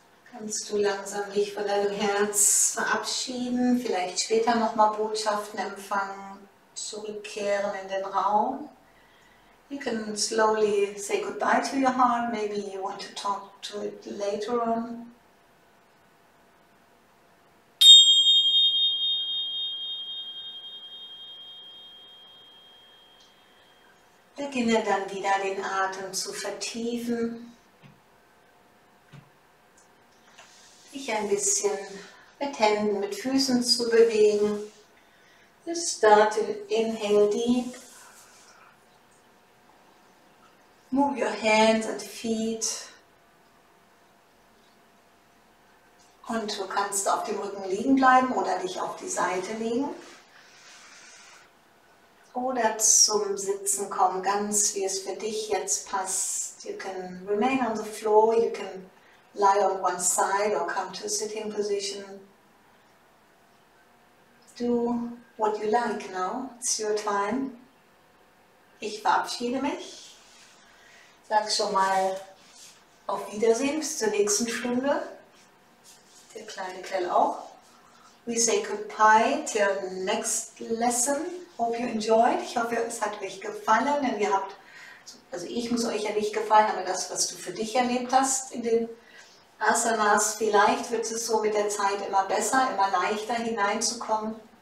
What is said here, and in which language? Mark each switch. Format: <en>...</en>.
<de>kannst du langsam dich von deinem Herz verabschieden, vielleicht später nochmal Botschaften empfangen, zurückkehren in den Raum.</de> <en>You can slowly say goodbye to your heart, maybe you want to talk to it later on.</en> <de>Beginne dann wieder den Atem zu vertiefen, dich ein bisschen mit Händen, mit Füßen zu bewegen.</de> <en>Just start to inhale deep. Move your hands and feet.</en> <de>Und du kannst auf dem Rücken liegen bleiben oder dich auf die Seite legen. Oder zum Sitzen kommen, ganz wie es für dich jetzt passt.</de> <en>You can remain on the floor, you can lie on one side or come to a sitting position. Do what you like now, it's your time.</en> <de>Ich verabschiede mich. Sag schon mal auf Wiedersehen bis zur nächsten Stunde. Der kleine Kell auch.</de> <en>We say goodbye till next lesson. Hope you enjoyed.</en> <de>Ich hoffe, es hat euch gefallen, denn ihr habt, also ich muss euch ja nicht gefallen, aber das, was du für dich erlebt hast in den Asanas, vielleicht wird es so mit der Zeit immer besser, immer leichter hineinzukommen.</de>